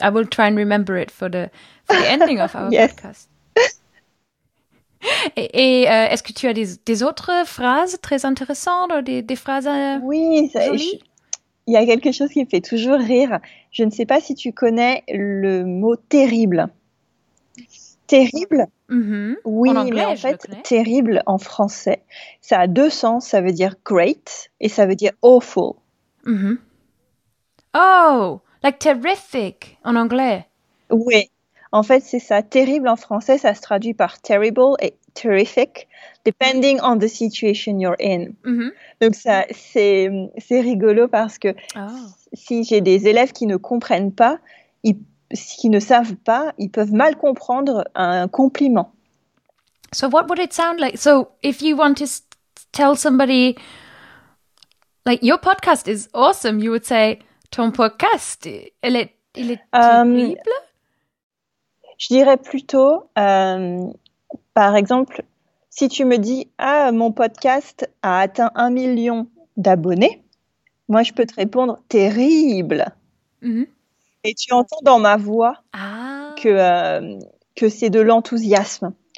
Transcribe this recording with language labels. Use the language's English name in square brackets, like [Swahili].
[English] I will try and remember it for the ending of our podcast. [French] Et est-ce que tu as des autres phrases très intéressantes ou des phrases Oui, il y a quelque chose qui me fait toujours rire. Je ne sais pas si tu connais le mot terrible. Terrible. Oui, en anglais, mais en fait, terrible en français, ça a deux sens. Ça veut dire great et ça veut dire awful. [English] Like [French] terrific en anglais. Oui, en fait, c'est ça. Terrible en français, ça se traduit par terrible et terrific, [English] depending on the situation you're in. [French] Donc, ça, c'est rigolo parce que si j'ai des élèves qui ne comprennent pas, qui ne savent pas, ils peuvent mal comprendre un compliment. [English] So, what would it sound like? So, if you want to tell somebody, like, your podcast is awesome, you would say... [French] Ton podcast, il est terrible? Je dirais plutôt, par exemple, si tu me dis « Ah, mon podcast a atteint 1 million d'abonnés », moi, je peux te répondre « Terrible ». Et tu entends dans ma voix que c'est de l'enthousiasme.